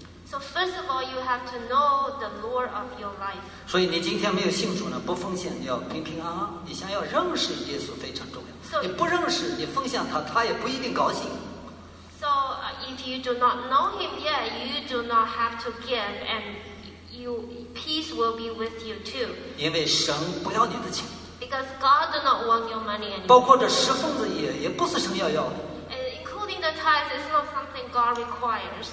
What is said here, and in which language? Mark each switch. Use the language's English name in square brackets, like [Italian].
[English] So So first of all, you have to know the Lord of your life. [Chinese] 所以你今天没有信主呢，不奉献，你要平平安安。你想要认识耶稣非常重要。 [English] So, [Chinese] 你不认识，你奉献他，他也不一定高兴。 [English] So if you do not know him yet, you do not have to give, and you peace will be with you too. [Chinese] 因为神不要你的钱。 [English] Because God does not want your money anymore. [Chinese] 包括这十奉子也不是神要要的。 [English] The tithes is not something God requires.